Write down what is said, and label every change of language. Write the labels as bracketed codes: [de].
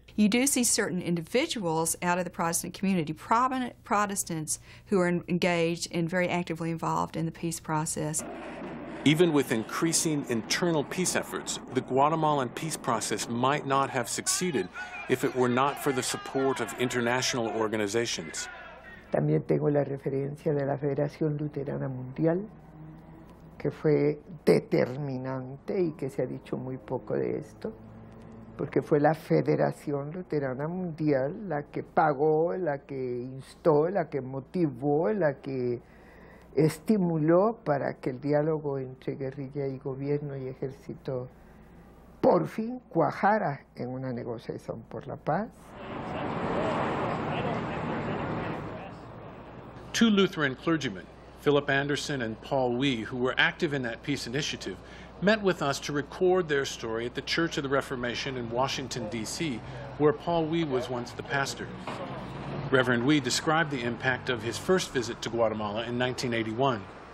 [en] You do see certain individuals out of the Protestant community, prominent Protestants, who are engaged and very actively involved in the peace process. Even with increasing internal peace efforts, the Guatemalan peace process might not have succeeded if it were not for the support of international organizations. [es] También tengo la referencia de la Federación Luterana Mundial, que fue determinante y que se ha dicho muy poco de esto, porque fue la Federación Luterana Mundial la que pagó, la que instó, la que motivó, la que estimuló para que el diálogo entre guerrilla y gobierno y ejército por fin cuajara en una negociación por la paz. [en] Two Lutheran clergymen, Philip Anderson and Paul Wee, who were active in that peace initiative, met with us to record their story at the Church of the Reformation in Washington, D.C., where Paul Wee was once the pastor. Reverend Wee described the impact of his first visit to Guatemala in 1981.